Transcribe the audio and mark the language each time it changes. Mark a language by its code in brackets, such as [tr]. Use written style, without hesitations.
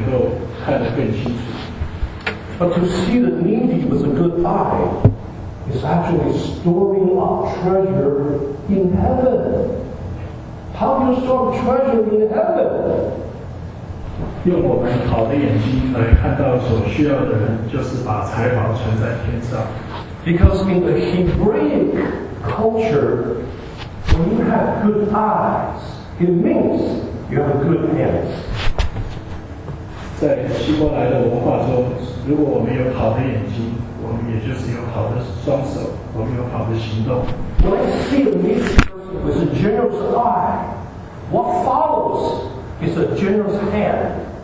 [en] But to see the needy with a good eye is actually storing up treasure in heaven. How do you store treasure in heaven? [zh] 用我们好的眼睛来看到所需要的人，就是把财宝存在天上。 [en] Because in the Hebraic culture, when you have good eyes, it means you have a good hands. [zh] 在希伯来的文化中，如果我们有好的眼睛，我们也就是有好的双手，我们有好的行动。 [en] When I see a needy person with a generous eye, what follows is a generous hand.